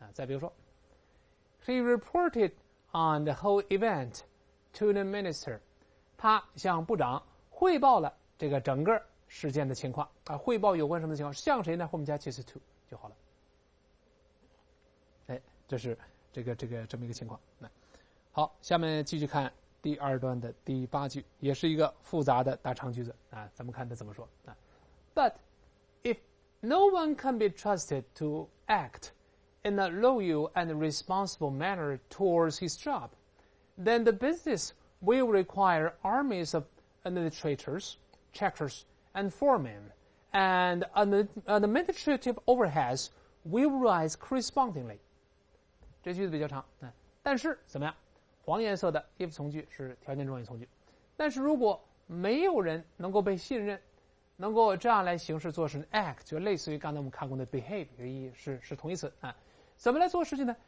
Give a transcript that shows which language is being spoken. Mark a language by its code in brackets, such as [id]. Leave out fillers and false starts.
[zh] 再比如说 [en] He reported on the whole event to the minister。 [zh] 他向部长汇报了这个整个事件的情况，汇报有关什么情况，向谁呢？后面加其实 to 就好了。这是这个这么一个情况。好，下面继续看第二段的第八句，也是一个复杂的大长句子。咱们看他怎么说。 [en] But if no one can be trusted to act in a loyal and responsible manner towards his job, then the business will require armies of administrators, checkers, and foremen, and an administrative overheads will rise correspondingly. [zh] 这句子比较长，但是怎么样？黄颜色的 if 从句是条件状语从句，但是如果没有人能够被信任，能够这样来行事做事 act， 就类似于刚才我们看过的 behave， 原意是同义词。怎么来做事情呢？